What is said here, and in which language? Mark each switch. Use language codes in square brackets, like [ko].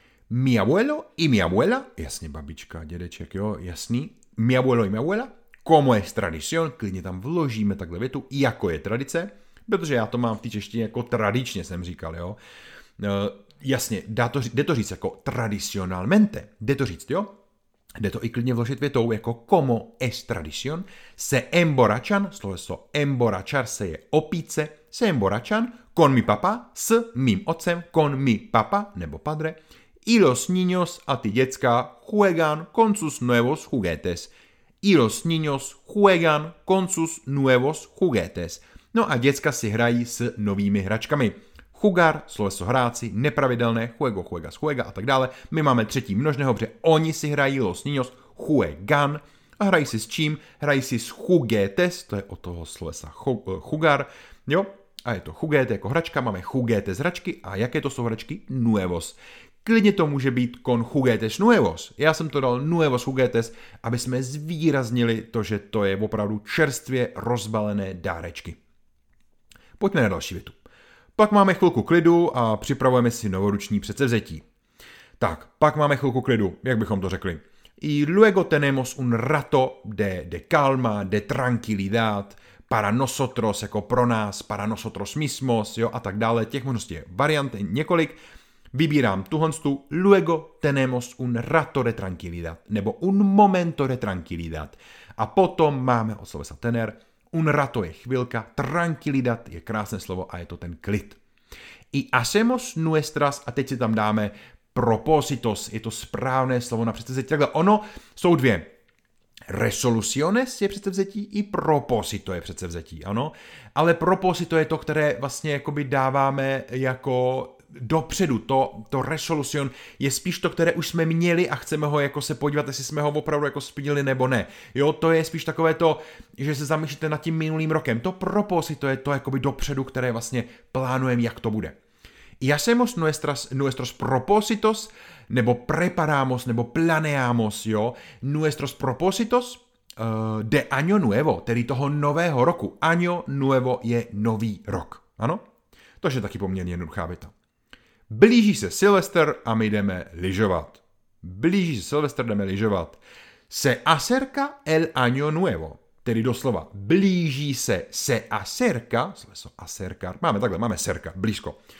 [es] Mi abuelo y mi abuela, [cs] jasně babička, dědeček, jo, jasný. [es] Mi abuelo y mi abuela, como es tradición, [cs] klidně tam vložíme takhle větu, jako je tradice, protože já to mám v té češtině jako tradičně, jsem říkal, jo. Jasně, jde to říct jako tradicionalmente, jde to říct, jo. Jde to i klidně vložit větou jako [es] como es tradición, se emborachan, [cs] sloveso [es] emborachar [cs] se je opíce, [es] se emborachan, con mi papa, [cs] s mým otcem, [es] con mi papa, nebo padre, i los niños [cs] a ty děcka [es] juegan con sus nuevos juguetes. I los niños juegan con sus nuevos juguetes. [cs] No a děcka si hrají s novými hračkami. Jugar, sloveso hráci, nepravidelné, [es] juego, juegas, juega [cs] a tak dále. My máme třetí množného, protože oni si hrají [es] los niños juegan. [cs] A hrají si s čím? Hrají si s juguetes, to je od toho slovesa jugar, jo? A je to juguete jako hračka, máme juguetes hračky a jaké to jsou hračky? Nuevos. Klidně to může být [es] con juguetes nuevos. [cs] Já jsem to dal [es] nuevos juguetes, [cs] aby jsme zvýraznili to, že to je opravdu čerstvě rozbalené dárečky. Pojďme na další větu. Pak máme chvilku klidu a připravujeme si novoroční předsevzetí. Tak, pak máme chvilku klidu, jak bychom to řekli. [es] Y luego tenemos un rato de calma, de tranquilidad, para nosotros, [cs] jako pro nás, [es] para nosotros mismos, jo, a tak dále. [cs] Těch možností je varianty několik. Vybírám tuhonstu, [es] luego tenemos un rato de tranquilidad, nebo un momento de tranquilidad. [cs] A potom máme od slovesa tener, un rato je chvilka, tranquilidad je krásné slovo a je to ten klid. [es] Y hacemos nuestras, [cs] a teď si tam dáme propósitos, je to správné slovo na předsevzetí. Takhle ono, jsou dvě. Resoluciones je předsevzetí i propósito je předsevzetí, ano. Ale propósito je to, které vlastně jakoby dáváme jako dopředu, to resolution je spíš to, které už jsme měli a chceme ho jako se podívat, jestli jsme ho opravdu jako splnili nebo ne. Jo, to je spíš takové to, že se zamýšlíte nad tím minulým rokem. To propósito je to jakoby dopředu, které vlastně plánujeme, jak to bude. [es] Y hacemos nuestros propósitos, nebo preparamos, nebo planeamos, jo, nuestros propósitos de año nuevo, [cs] tedy toho nového roku. Año nuevo je nový rok, ano? To je taky poměrně jednoduchá věta. Blíží se Silvester a my jdeme lyžovat. Blíží se Silvester, jdeme lyžovat. [es] Se acerca el año nuevo, [cs] tedy doslova blíží se acerca, sloveso acercar, máme takhle, máme cerca, blízko.